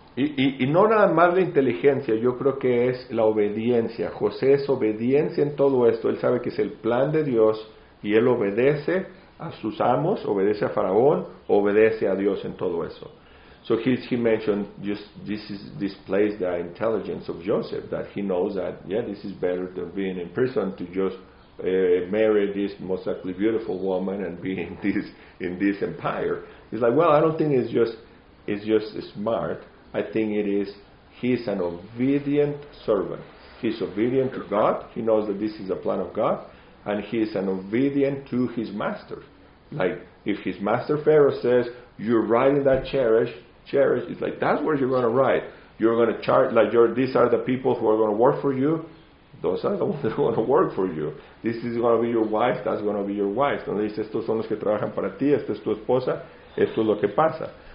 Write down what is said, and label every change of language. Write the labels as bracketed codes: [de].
[es] Y no nada más la inteligencia, yo creo que es la obediencia. José es obediencia en todo esto. Él sabe que es el plan de Dios y él obedece a sus amos, obedece a Faraón, obedece a Dios en todo eso. [en] So he mentioned, just this is displays the intelligence of Joseph, that he knows that, yeah, this is better than being in prison, to just marry this most likely beautiful woman and be in this empire. He's like, well, I don't think it's just smart. I think it is, he's an obedient servant. He's obedient to God. He knows that this is the plan of God. And he is an obedient to his master. Like, if his master Pharaoh says, you're riding that chariot, it's like, that's where you're going to ride. You're going to chart, like, these are the people who are going to work for you. Those are the ones that are going to work for you. This is going to be your wife. That's going to be your wife. [es] Donde dice, estos son los que trabajan para ti. Esta es tu esposa. Esto es lo que pasa.